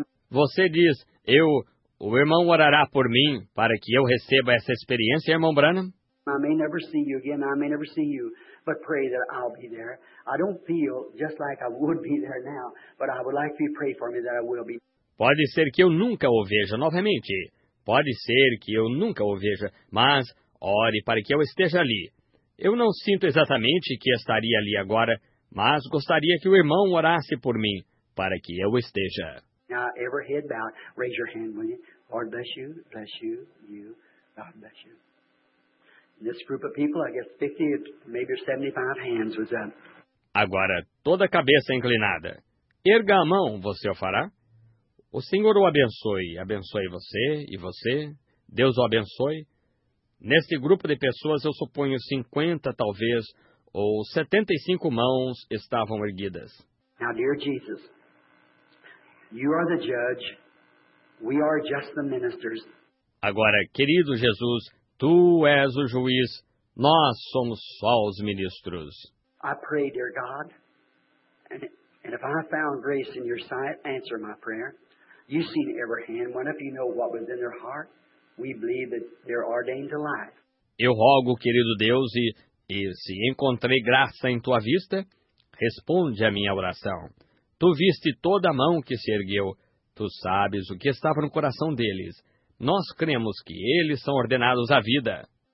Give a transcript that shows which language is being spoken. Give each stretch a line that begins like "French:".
Portuguese: Você diz, o irmão orará por mim para que eu receba essa experiência, Irmão Branham?
English: I may never see you again, I may never see you, but pray that I'll be there. I don't feel just like I would be there now, but I would like you to pray for me that I will be.
Portuguese: Pode ser que eu nunca o veja novamente. Pode ser que eu nunca o veja, mas ore para que eu esteja ali. Eu não sinto exatamente que estaria ali agora, mas gostaria que o irmão orasse por mim, para que eu esteja.
English: Now, every head bowed, raise your hand, will you? Lord, bless you, you, God bless you. This group of people, I guess 50, maybe 75 hands was up.
Portuguese: Agora, toda a cabeça inclinada. Erga a mão, você o fará? O Senhor o abençoe. Abençoe você e você. Deus o abençoe. Neste grupo de pessoas, eu suponho 50, talvez, ou 75 mãos estavam erguidas.
English: Now, dear Jesus, you are the judge. We are just the ministers.
Portuguese: Agora, querido Jesus, Tu és o juiz, nós somos só os ministros.
English: I pray, dear God, and if I found grace in your sight, answer my prayer. You've seen every hand, one of you know what was in their heart. We believe that they're ordained to life.
Portuguese: Eu rogo, querido Deus, e se encontrei graça em tua vista, responde a minha oração. Tu viste toda a mão que se ergueu, tu sabes o que estava no coração deles. Nós cremos que eles são ordenados à vida.